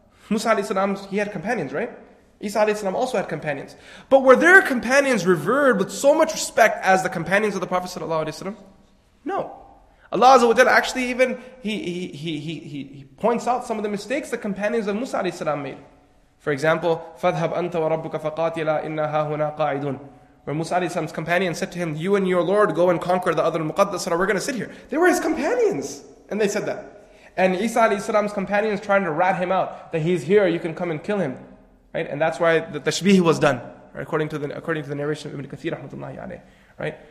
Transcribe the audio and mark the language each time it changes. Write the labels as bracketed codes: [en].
[en] Musa ﷺ, he had companions, right? Isa ﷺ also had companions. But were their companions revered with so much respect as the companions of the Prophet ﷺ? No. Allah Azza wa Jalla actually even, he points out some of the mistakes the companions of Musa ﷺ made. For example, [ar] فَذْهَبْ أَنْتَ وَرَبُّكَ فَقَاتِلَا إِنَّا هَا هُنَا قَاعِدُونَ. [en] Where Musa ﷺ's companion said to him, "You and your Lord go and conquer the other Muqaddas, we're going to sit here." They were his companions. And they said that. And Isa ﷺ's companions trying to rat him out, that he's here, you can come and kill him. Right? And that's why the tashbih was done, right? according to the narration of Ibn Kathir, rahmatullahi alayh. Right?